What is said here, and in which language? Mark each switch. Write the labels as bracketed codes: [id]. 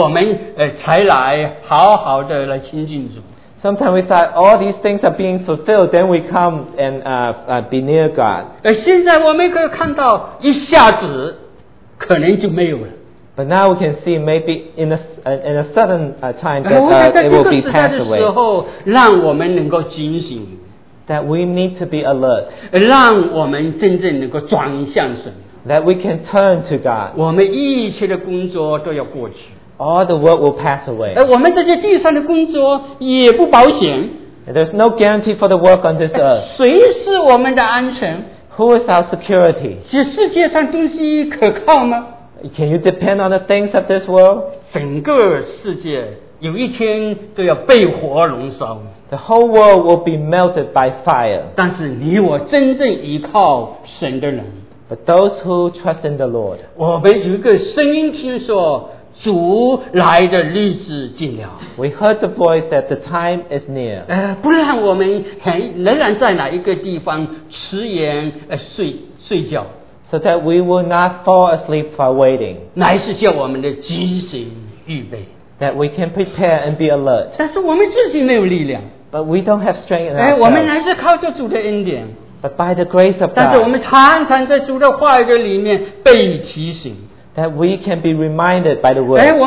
[zh] 而我们以前想主耶稣再来，哦，可能什么时候预言慢慢慢慢的实现，我们才来好好的来亲近主。 [en] Sometimes we thought all these things are being fulfilled, then we come and be near God. [zh] 现在我们可以看到一下子可能就没有了。 [en] But now we can see maybe in a sudden time that it will be passed away. [zh] 让我们能够警醒。 [en] That we need to be alert. [zh] 让我们真正能够转向神。 [en] That we can turn to God. [zh] 我们一切的工作都要过去。 [en] All the work will pass away. [zh] 我们这些地上的工作也不保险。 [en] There's no guarantee for the work on this earth. [zh] 谁是我们的安全？ [en] Who is our security? [zh] 这世界上东西可靠吗？ [en] Can you depend on the things of this world? [zh] 整个世界。有一天都要被火燃烧, [en] the whole world will be melted by fire. [zh] 但是你我真正依靠神的人, [en] but those who trust in the Lord, [zh] 我们有一个声音听说主来的日子近了, [en] we heard the voice that the time is near. [zh] 不然我们仍然在哪一个地方迟延睡觉, [en] so that we will not fall asleep while waiting. [zh] 乃是叫我们的警醒预备, [en] that we can prepare and be alert. [zh] 但是我们自己没有力量, [en] but we don't have strength in ourselves. [zh] 我们还是靠着主的恩典, [en] but by the grace of God. [zh] 但是我们常常在主的话语里面被提醒, [en] that we can be reminded by the word.